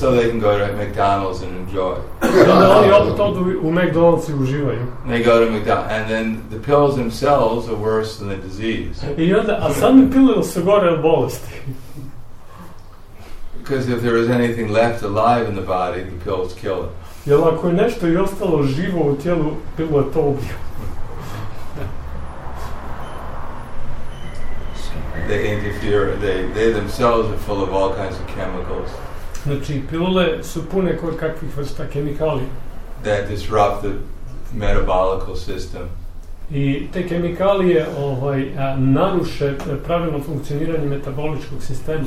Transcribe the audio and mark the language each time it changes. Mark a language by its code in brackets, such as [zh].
[en] So they can go to McDonald's and enjoy. [hr] Onda oni opet odu u McDonald's i uživaju. [en] They go to McDonald's and then the pills themselves are worse than the disease. [hr] I onda, a sami pilule su gore od bolesti. [en] Because if there is anything left alive in the body, the pills kill it. [hr] Jer ako je nešto i ostalo živo u tijelu, pilule to ubiju. [en] They interfere, they themselves are full of all kinds of chemicals. [hr] Znači, pilule su pune kojekakvih vrsta kemikalija. [en] That disrupt the metabolic system. [hr] I te kemikalije naruše pravilno funkcioniranje metaboličkog sistema.